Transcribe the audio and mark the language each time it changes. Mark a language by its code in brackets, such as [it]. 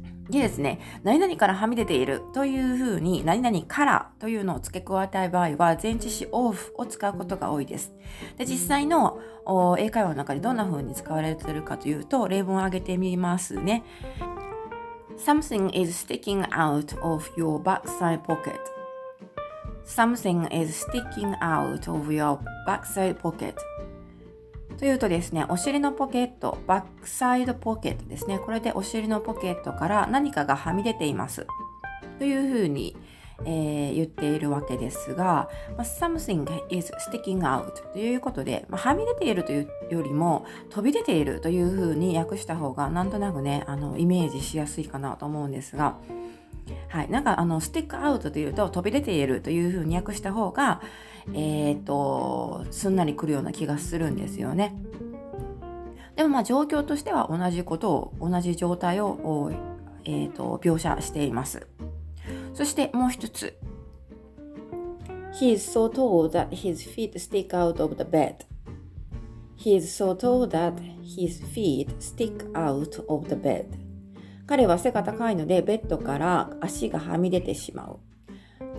[ja] でですね、何々からはみ出ているというふうに、何々からというのを付け加えたい場合は、前置詞 of を使うことが多いです。で、実際の英会話の中でどんなふうに使われているかというと、例文を挙げてみますね。 [en] Something is sticking out of your backside pocket. Something is sticking out of your backside pocket. [ja] というとですね、お尻のポケット、バックサイドポケットですね。これでお尻のポケットから何かがはみ出ています。というふうに、言っているわけですが、 [en] Something is sticking out [ja] ということで、はみ出ているというよりも、飛び出ているというふうに訳した方が、なんとなくね、イメージしやすいかなと思うんですが、はい。なんか、スティックアウトというと、飛び出ているというふうに訳した方が、すんなり来るような気がするんですよね。でも、まあ、状況としては同じことを、同じ状態を、描写しています。そして、もう一つ。 [en] He is so tall that his feet stick out of the bed. He is so tall that his feet stick out of the bed. [ja] 彼は背が高いので、ベッドから足がはみ出てしまう。